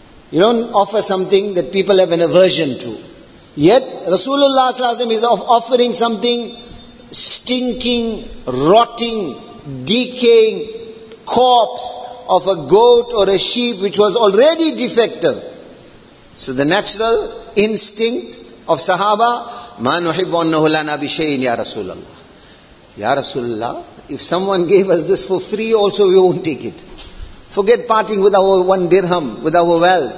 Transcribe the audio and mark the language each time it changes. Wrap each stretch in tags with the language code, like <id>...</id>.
<en>You don't offer something that people have an aversion to. Yet, Rasulullah sallallahu alaihi wasallam is offering something stinking, rotting, decaying corpse of a goat or a sheep which was already defective. So the natural instinct of Sahaba,</en> <ar>مَا نُحِبُّ أَنَّهُ لَنَا بِشَيْءٍ يَا رَسُولَ اللَّهِ.</ar> <en>Ya Rasulullah, if someone gave us this for free also, we won't take it. Forget parting with our one dirham, with our wealth.</en>